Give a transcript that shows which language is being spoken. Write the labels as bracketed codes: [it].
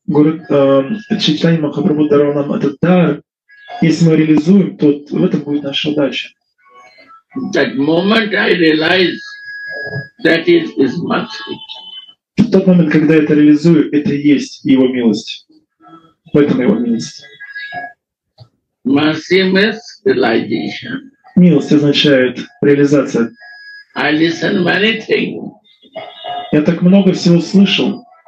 [ru] Гуру Чайтанья Махапрабху даровал нам этот дар. Если мы реализуем, то в этом будет наша удача. [en] That moment I realize that is his mercy. [ru] В тот момент, когда я это реализую, это и есть его милость. В этом его милость. [en] Mercy means realization. [ru] Милость означает реализация. [en] I listen many things. [ru] Я так много всего слышал.